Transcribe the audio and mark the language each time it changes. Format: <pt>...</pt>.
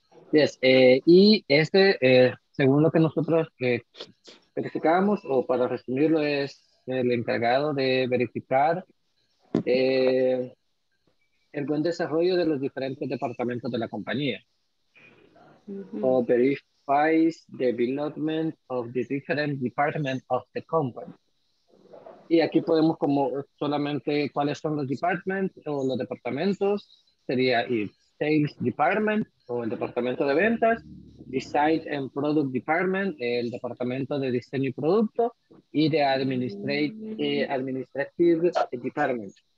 <es>Yes. Y este, según lo que nosotros verificamos, o para resumirlo, es el encargado de verificar el buen desarrollo de los diferentes departamentos de la compañía.</es> <en>Mm-hmm. O verifies the development of the different departments of the company.</en> <es>Y aquí podemos como solamente cuáles son los departments o los departamentos. Sería el sales department o el departamento de ventas.</es> <en>Design and product department,</en> <es>el departamento de diseño y producto. Y de administrative department.</es>